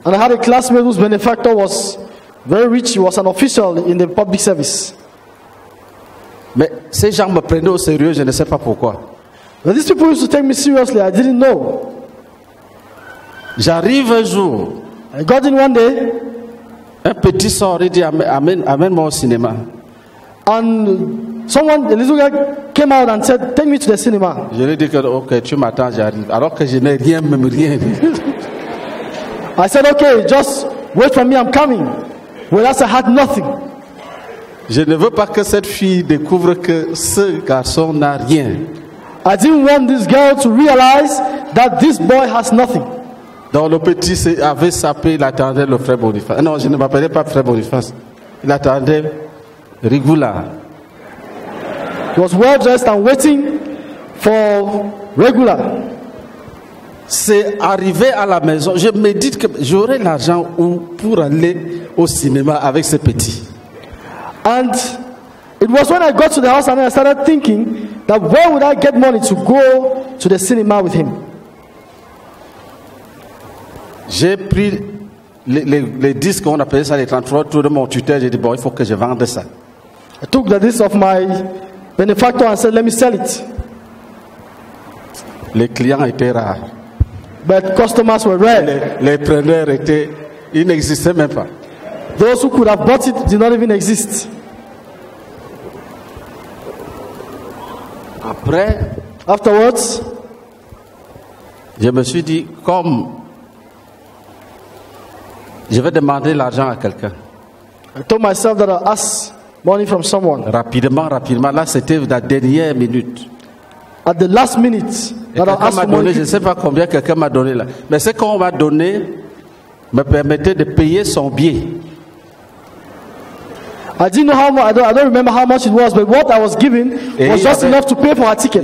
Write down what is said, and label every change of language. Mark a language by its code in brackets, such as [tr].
[en] And I had a classmate whose benefactor was very rich. He was an official in the public service. [fr] Mais ces gens me prenaient au sérieux, je ne sais pas pourquoi. [en] But these people used to take me seriously. I didn't know. [fr] J'arrive un jour. [en] I got in one day. [fr] Un petit sort, il dit, amène-moi au cinéma. [en] And someone, a little guy, came out and said, take me to the cinema. [fr] Je lui ai dit que, ok, tu m'attends, j'arrive. Alors que je n'ai rien, même rien. [en] I said, ok, just wait for me, I'm coming. Whereas I had nothing. [fr] Je ne veux pas que cette fille découvre que ce garçon n'a rien. [en] I didn't want this girl to realize that this boy has nothing. [fr] Donc le petit avait sapé, il attendait le frère Boniface. Non, je ne m'appelais pas frère Boniface. Il attendait Rigula. [en] He was well dressed and waiting for regular. [fr] C'est arrivé à la maison. Je médite que j'aurai l'argent où pour aller au cinéma avec ce petit. [en] And it was when I got to the house and I started thinking that where would I get money to go to the cinema with him? [fr] J'ai pris les disques, on appelait ça les 33 tours de mon tuteur. J'ai dit bon, il faut que je vende ça. [en] I took the disc of my benefactor and said, let me sell it. [fr] Les clients étaient rares. [en] But customers were rare. [fr] Les preneurs étaient, n'existaient même pas. [en] Those who could have bought it did not even exist. [fr] Après, [en] afterwards, [fr] je me suis dit, comme je vais demander l'argent à quelqu'un. [en] I told myself that I'll ask money from someone. [fr] Rapidement, rapidement. Là, c'était la dernière minute. [en] at the last minute. [fr] Je ne sais pas combien quelqu'un m'a donné là. Mais ce qu'on m'a donné me permettait de payer son billet. [en] I didn't know how much, I don't remember how much it was, but what I was given was just enough to pay for her ticket.